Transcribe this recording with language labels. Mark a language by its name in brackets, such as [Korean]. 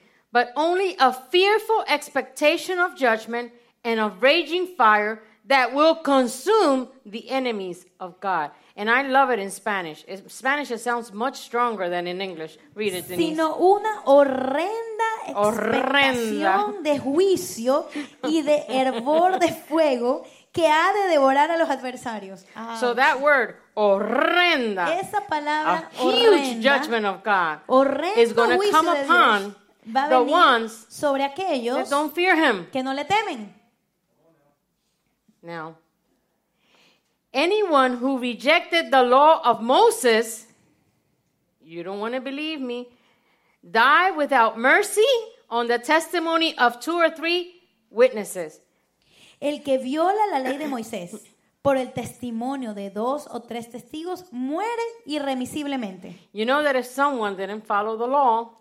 [English] But only a fearful expectation of judgment and of raging fire that will consume the enemies of God. And I love it in Spanish. In Spanish it sounds much stronger than in English. Read it, Denise. [Spanish] Sino una horrenda expectación horrenda. De juicio y de hervor de fuego que ha de devorar a los adversarios. [English] Ah. So that word, horrenda. [Spanish] Esa palabra, [English] a huge [Spanish] horrenda, [English] judgment of God [Spanish] horrendo [English] is going to come upon the ones [Spanish] sobre aquellos [English] that don't fear him. [Spanish] Que no le temen. [English] Now, anyone who rejected the law of Moses, you don't want to believe me, died without mercy on the testimony of two or three witnesses. [Spanish] El que viola la ley de Moisés por el testimonio de dos o tres testigos muere irremisiblemente. [English] You know that if someone didn't follow the law,